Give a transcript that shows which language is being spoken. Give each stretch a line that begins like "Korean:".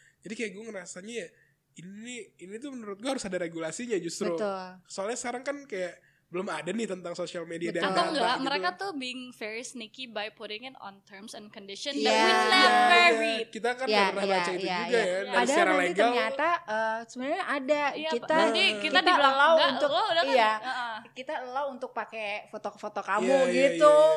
Indonesian: Jadi kayak gue ngerasanya ya, ini tuh menurut gue harus ada regulasinya justru. Betul. Soalnya sekarang kan kayak belum ada nih tentang social media. Betul. Dan atau enggak, gitu.
English: Mereka tuh being very sneaky by putting it on terms and conditions that we never read.
Indonesian: Kita kan gak pernah baca itu juga. Padahal secara nanti legal, ternyata sebenarnya ada. Kita kita dibilang, kita allow untuk pakai foto-foto kamu gitu.